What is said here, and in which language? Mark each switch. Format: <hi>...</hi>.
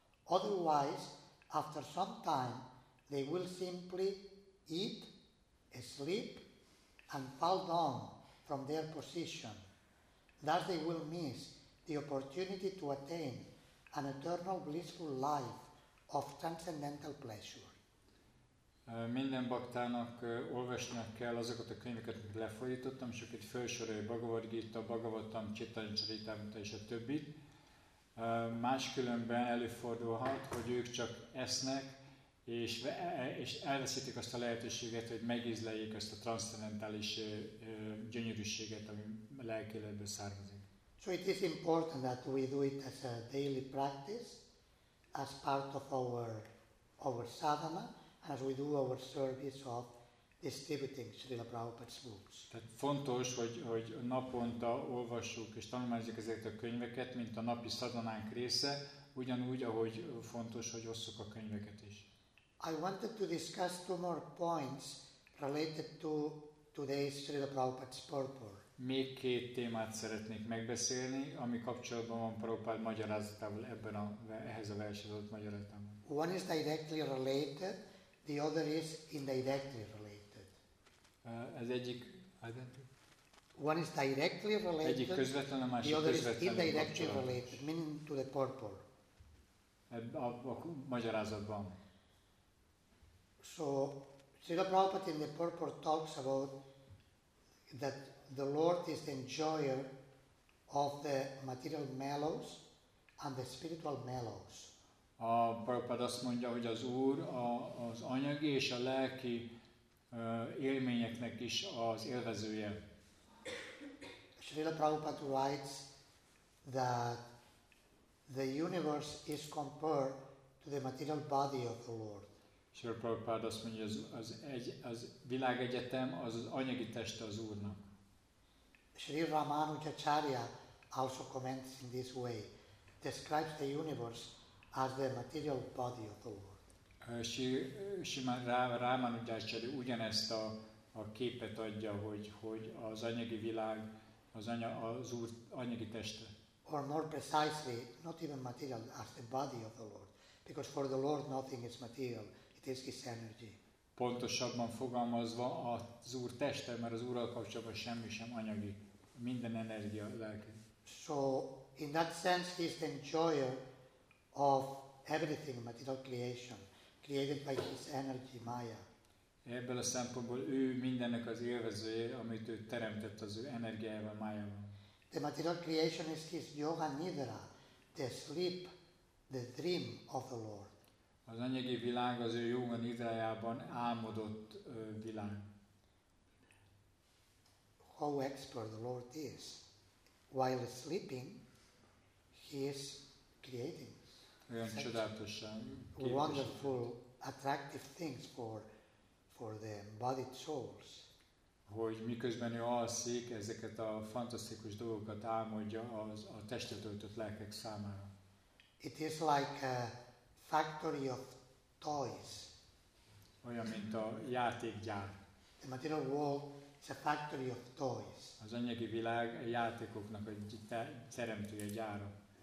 <en>Otherwise, after some time, they will simply eat, sleep, and fall down from their position. Thus they will miss the opportunity to attain an eternal blissful life of transcendental pleasure.</en> <hu>Minden baktának olvasnia kell azokat a könyveket, amit lefordítottam, és akit felsorolja Bhagavad Gita, Bhagavatam, Chaitanya Charitamrita és a többit. Máskülönben előfordulhat, hogy ők csak esznek, és elveszítik azt a lehetőséget, hogy megízleljék ezt a transzcendentális gyönyörűséget, ami lelkéletből származik.</hu> <en>So it is important that we do it as a daily practice, as part of our sadhana, as we do our service of distributing Srila Prabhupada's books.</en> <hu>Tehát fontos, hogy naponta olvassuk és tanulmányozzuk ezeket a könyveket, mint a napi szadanánk része, ugyanúgy, ahogy fontos, hogy osszuk a könyveket is.</hu> <en>I wanted to discuss two more points related to today's Srila Prabhupada's purport.</en> <hu>Még két témát szeretnék megbeszélni, ami kapcsolatban van Prabhupada magyarázatával ehhez a versenyzott magyarázatával.</hu> <en>One is directly related, the other is indirectly related.</en> <hu>Az egyik, identity.</hu> <en>One is directly related.</en> <hu>Egyik közvetlen, a másik</hu> <en>the other</en> <hu>közvetlen.</hu> <en>Is indirectly related, meaning to the purport.</en> <hu>A magyarázatban.</hu> <en>So, Srila Prabhupada in the purport talks about that the Lord is the enjoyer of the material mellows and the spiritual mellows.</en> <hu>A Prabhupada azt mondja, hogy az Úr az anyagi és a lelki élményeknek is az élvezője.</hu> <en>Srila Prabhupada writes that the universe is compared to the material body of the Lord.</en> <hu>Srila Prabhupada azt mondja, hogy az világegyetem az anyagi teste az Úrnak.</hu> <en>Sri Ramanujacharya also comments in this way, describes the universe as the material body of the Lord.</en> <hu>Ramanujacharya ugyanezt a képet adja, hogy az anyagi világ, az Úr anyagi teste.</hu> <en>or more precisely, not even material, as the body of the Lord. Because for the Lord nothing is material, it is His energy.</en> <hu>Pontosabban fogalmazva, az Úr teste, mert az Úrral kapcsolatban semmi sem anyagi, minden energia lelki.</hu> <en>So, in that sense, He is the enjoyer of everything, material creation, created by His energy, Maya.</en> <hu>Ebből a szempontból ő mindennek az élvezője, amit ő teremtett az ő energiájával, Mayával.</hu> <en>The material creation is His yoga nidra, the sleep, the dream of the Lord.</en> <hu>Az anyagi világ az ő yoga nidrájában álmodott világ.</hu> <en>How expert the Lord is. While sleeping, He is creating.</en> <hu>Olyan csodálatosan.</hu> <en>Wonderful, attractive things for the embodied souls.</en> <hu>Hogy miközben ő alszik, ezeket a fantasztikus dolgokat álmodja az a testre töltött lelkek számára.</hu> <en>It is like a factory of toys.</en> <hu>Olyan, mint a játékgyár.</hu> <en>The material world is a factory of toys.</en> <hu>Az anyagi világ a játékoknak a teremtője, gyára.</hu>